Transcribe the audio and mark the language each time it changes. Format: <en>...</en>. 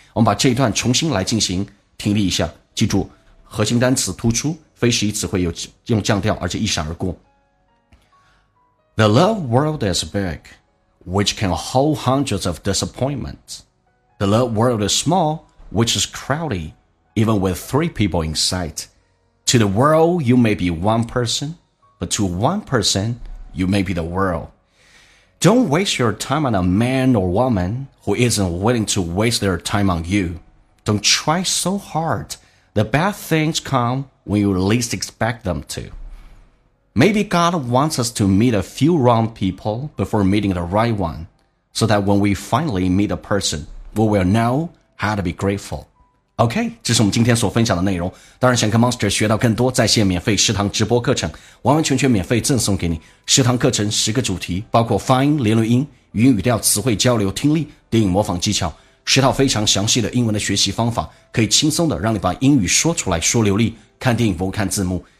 <zh>我们把这一段重新来进行听力一下，记住核心单词突出，非实义词汇有用降调，而且一闪而过。</zh> <en>The love world is big, which can hold hundreds of disappointments. The love world is small, which is crowded, even with three people in sight. To the world, you may be one person, but to one person, you may be the world. Don't waste your time on a man or woman who isn't willing to waste their time on you. Don't try so hard. The bad things come when you least expect them to. Maybe God wants us to meet a few wrong people before meeting the right one, so that when we finally meet a person, we will know how to be grateful.</en> <zh>OK, 这是我们今天所分享的内容。当然想跟 Monster 学到更多在线免费食堂直播课程，完完全全免费赠送给你。食堂课程十个主题，包括发音、连轮音、语音语调、词汇交流、听力、电影模仿技巧，十套非常详细的英文的学习方法，可以轻松的让你把英语说出来说流利，看电影不看字幕。</zh>